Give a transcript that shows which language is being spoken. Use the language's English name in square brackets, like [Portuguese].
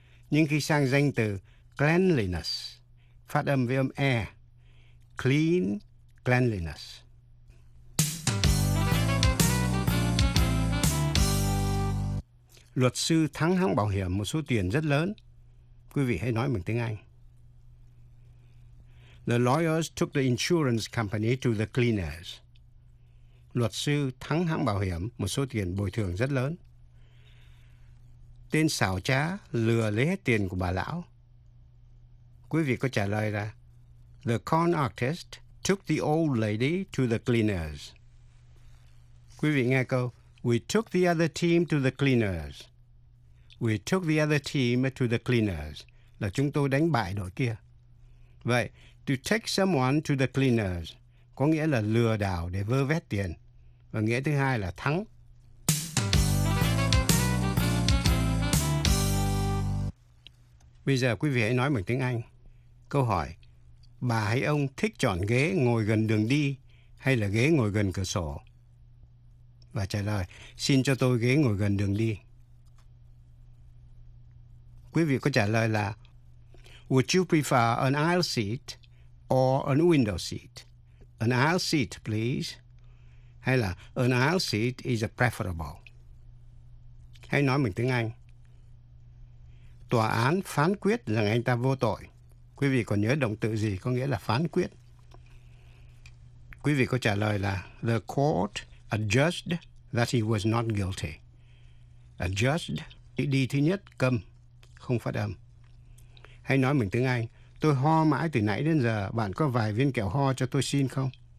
[Vietnamese] Nhưng khi sang danh từ cleanliness, phát âm với âm E. [English] Clean, cleanliness. [Vietnamese] Luật sư thắng hãng bảo hiểm một số tiền rất lớn. Quý vị hãy nói bằng tiếng Anh. [English] The lawyers took the insurance company to the cleaners. [Vietnamese] Luật sư thắng hãng bảo hiểm một số tiền bồi thường rất lớn. Tên xảo trá lừa lấy hết tiền của bà lão. Quý vị có trả lời là [English] The con artist took the old lady to the cleaners. [Vietnamese] Quý vị nghe câu [English] We took the other team to the cleaners. We took the other team to the cleaners. [Vietnamese] Là chúng tôi đánh bại đội kia. Vậy, [English] to take someone to the cleaners [Vietnamese] có nghĩa là lừa đảo để vơ vét tiền. Và nghĩa thứ hai là thắng. Bây giờ quý vị hãy nói bằng tiếng Anh. Câu hỏi, bà hay ông thích chọn ghế ngồi gần đường đi hay là ghế ngồi gần cửa sổ? Và trả lời, xin cho tôi ghế ngồi gần đường đi. Quý vị có trả lời là [English] Would you prefer an aisle seat or an window seat? An aisle seat, please. [Vietnamese] Hay là [English] an aisle seat is a preferable. [Vietnamese] Hãy nói bằng tiếng Anh. Tòa án phán quyết rằng anh ta vô tội. Quý vị còn nhớ động từ gì có nghĩa là phán quyết? Quý vị có trả lời là [English] The court adjudged that he was not guilty. [Vietnamese] Adjudged, đi thứ nhất, câm, không phát âm. Hãy nói mình tiếng Anh. Tôi ho mãi từ nãy đến giờ. Bạn có vài viên kẹo ho cho tôi xin không?